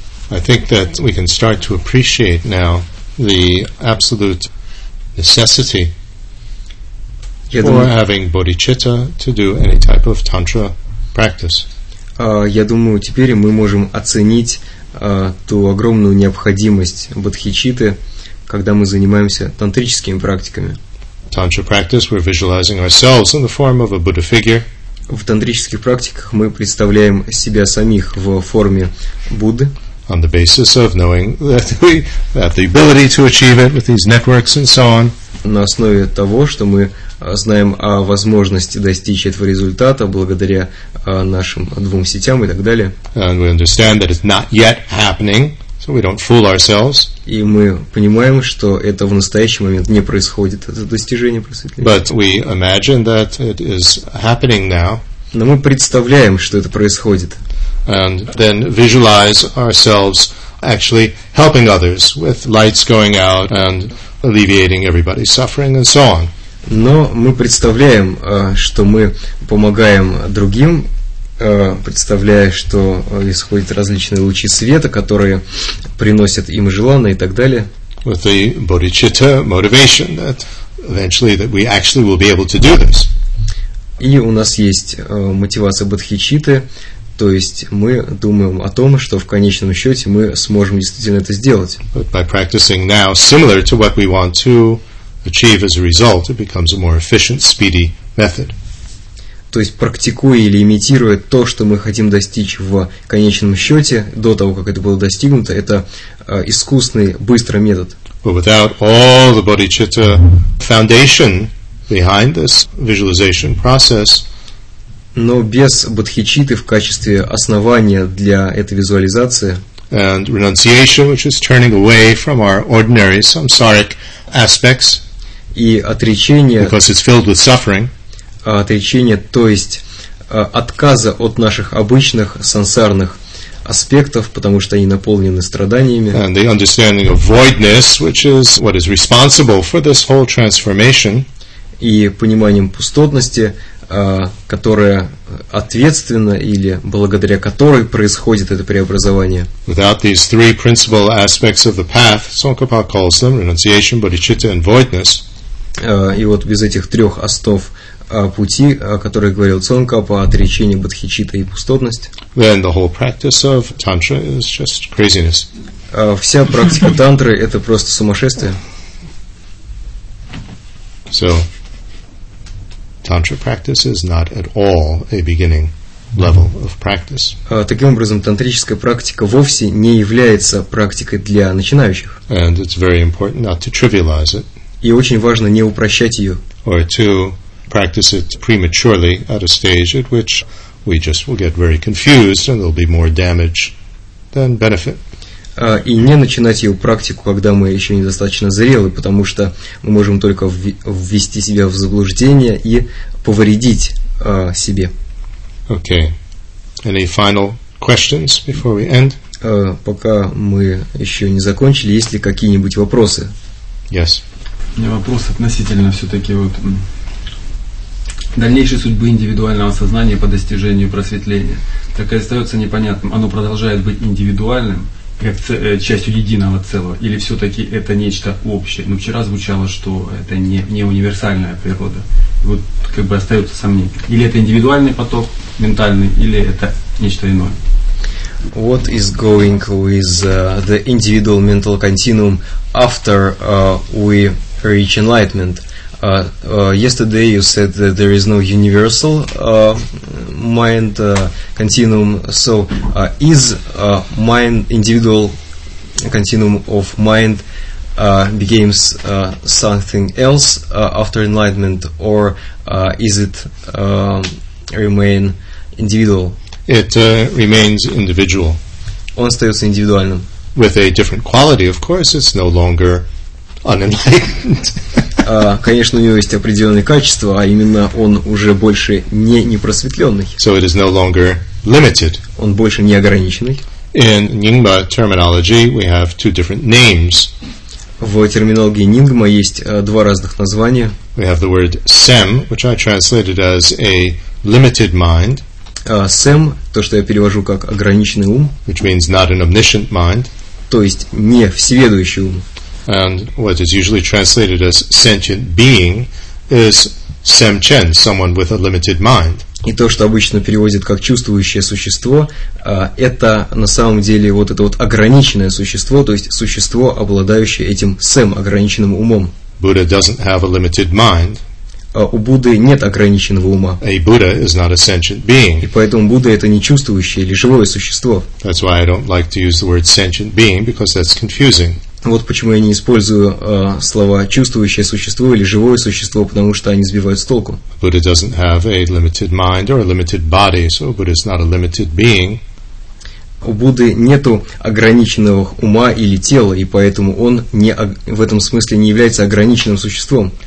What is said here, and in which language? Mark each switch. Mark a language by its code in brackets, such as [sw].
[en] I think that we can start to appreciate now the absolute necessity for having bodhicitta to do any type of tantra practice. [ru] Я думаю, теперь мы можем оценить ту огромную необходимость бодхичитты, когда мы занимаемся тантрическими практиками. [en] Tantra practice, we're visualizing ourselves in the form of a Buddha figure. [ru] В тантрических практиках мы представляем себя самих в форме Будды. [en] On the basis of knowing that we have the ability to achieve it with these networks and so on. [ru] На основе того, что мы знаем о возможности достичь этого результата благодаря нашим двум сетям и так далее. [en] And we understand that it's not yet happening, so we don't fool ourselves. [ru] И мы понимаем, что это в настоящий момент не происходит, это достижение просветления. [en] But we imagine that it is happening now. [ru] Но мы представляем, что это происходит. [en] And then visualize ourselves actually helping others with lights going out and alleviating everybody's suffering and so on. [ru] Но мы представляем, что мы помогаем другим, представляя, что исходят различные лучи света, которые приносят им желанное и так далее. [en] With the bodhicitta motivation that eventually that we actually will be able to do this. [ru] И у нас есть мотивация бодхичитты, то есть мы думаем о том, что в конечном счете мы сможем действительно это сделать. [en] But by practicing now, similar to what we want to achieve as a result, it becomes a more efficient, speedy method. [ru] То есть практикуя или имитируя то, что мы хотим достичь в конечном счете до того, как это было достигнуто, это искусный быстрый метод. [en] But without all the bodhicitta foundation behind this visualization process. [ru] Но без бодхичитты в качестве основания для этой визуализации. [en] And renunciation, which is turning away from our ordinary samsaric aspects. [ru] И отречение. [en] Because it's filled with suffering. [ru] Отречение, то есть отказа от наших обычных сансарных аспектов, потому что они наполнены страданиями. [en] And the understanding of voidness, which is what is responsible for this whole transformation. [ru] И пониманием пустотности, которая ответственна или благодаря которой происходит это преобразование. [en] Without these three principal aspects of the path, Tsongkhapa calls them renunciation, bodhicitta, and voidness. [ru] И вот без этих трех основ пути, о которых говорил Цонкапа, отречение, бодхичитта и пустотность. [en] Then the whole practice of tantra is just craziness. [ru] Вся практика тантры – это просто сумасшествие. [en] So, tantra practice is not at all a beginning level of practice. [ru] Таким образом, тантрическая практика вовсе не является практикой для начинающих. [en] And it's very important not to trivialize it. [ru] И очень важно не упрощать ее. [en] Or to practice it prematurely at a stage at which we just will get very confused and there'll be more damage than benefit. [ru] И не начинать ее практику, когда мы еще недостаточно зрелы, потому что мы можем только ввести себя в заблуждение и повредить себе. [en] Okay. Any final questions before we end? [ru] Пока мы еще не закончили, есть ли какие-нибудь вопросы? [en] Yes. [ru] У меня вопрос относительно все-таки вот дальнейшей судьбы индивидуального сознания по достижению просветления. Так и остается непонятным, оно продолжает быть индивидуальным, как частью единого целого, или все-таки это нечто общее? Но вчера звучало, что это не универсальная природа. Вот как бы остается сомнение. Или это индивидуальный поток ментальный, или это нечто иное? [en] What is going with the individual mental continuum after we reach enlightenment? Yesterday you said that there is no universal mind continuum. So, is mind individual continuum of mind becomes something else after enlightenment, or is it remain individual? It remains individual. [ru] Он остается индивидуальным. [en] With a different quality, of course. It's no longer unenlightened. [ru] Конечно, у него есть определенные качества, а именно он уже больше не непросветленный. [en] So it is no longer limited. [ru] Он больше не ограниченный. [en] In Nyingma terminology, we have two different names. [ru] В терминологии Нингма есть два разных названия. [en] We have the word sem, which I translated as a limited mind. [ru] сэм, то, что я перевожу как ограниченный ум, [en] which means not an omniscient mind, [ru] то есть не всеведущий ум, [en] and what is usually translated as sentient being is sem chen, someone with a limited mind. [ru] И то, что обычно переводят как чувствующее существо, это на самом деле вот это вот ограниченное существо, то есть существо, обладающее этим сэм, ограниченным умом. [en] Buddha doesn't have a limited mind. [ru] У Будды нет ограниченного ума. [en] A Buddha is not a sentient being. [ru] И поэтому Будда — это не чувствующее или живое существо. [en] That's why I don't like to use the word sentient being, because that's confusing. [ru] Вот почему я не использую слова «чувствующее существо» или «живое существо», потому что они сбивают с толку. [en] Buddha doesn't have a limited mind or a limited body, so Buddha is not a limited being. [ru] У Будды нету ограниченного ума или тела, и поэтому он не, в этом смысле не является ограниченным существом.